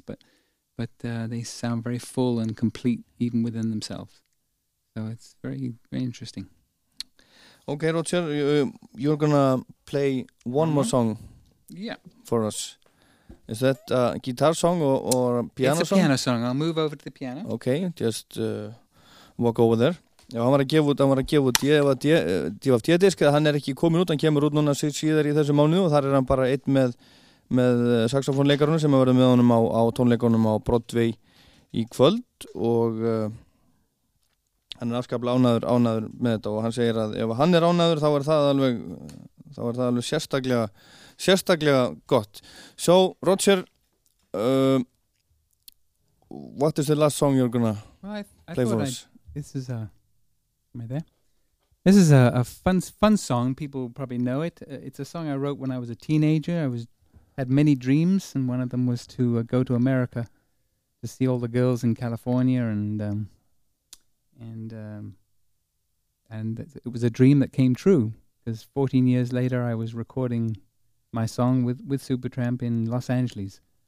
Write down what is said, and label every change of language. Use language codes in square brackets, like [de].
[en] But they sound very full and complete, even within themselves. So it's very, very interesting. Okay, Roger, you're going to play one more song for us. Is that a guitar song or a piano song? It's a piano song. I'll move over to the piano. Okay, just... walk over there. [is] Já, hann var að gefa út DFD-disk, hann er ekki komin út, hann kemur út núna síðar í þessu mánuð og þar er hann bara einn með saxofónleikarunum sem að verða með honum á tónleikunum á Broadway í kvöld og hann er afskaplega ánægður með þetta og hann segir að ef hann er ánægður þá er það alveg sérstaklega gott. [en] So, Roger, what is the last song you're gonna play for us? This is a fun song. People probably know it. It's a song I wrote when I was a teenager. I had many dreams, and one of them was to go to America to see all the girls in California, and it was a dream that came true, because 14 years later I was recording my song with Supertramp in Los Angeles.